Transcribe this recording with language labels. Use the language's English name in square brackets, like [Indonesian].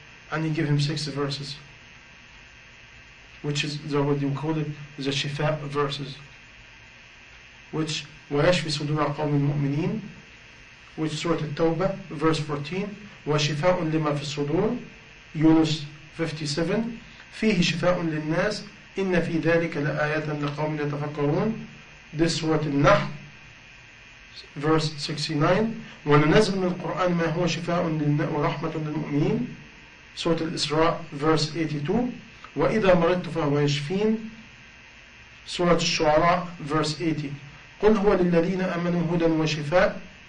[English] And he gave him six verses, which is the word you call it, the shifa verses, which, [Arabic] وَيَشْفِ صُدُورَ قَوْمِ الْمُؤْمِنِينَ, [English] which Surah At-Tawbah, verse 14, [Arabic] وَشِفَاءٌ لِمَا فِي الصُّدُورِ, [English] Yunus 57, [Arabic] فيه شفاء للناس إن في ذلك لآيات لقوم يتفكرون. [English] This Surah An-Nahl, verse 69. [Arabic] وننزل من القرآن ما هو شفاء ورحمة للمؤمنين. [English] Surah الإسراء, verse 82. [Arabic] وإذا مرضت فهو يشفين. [English] Surah الشعراء, verse 80. [Arabic] قل هو للذين آمنوا هدى وشفاء.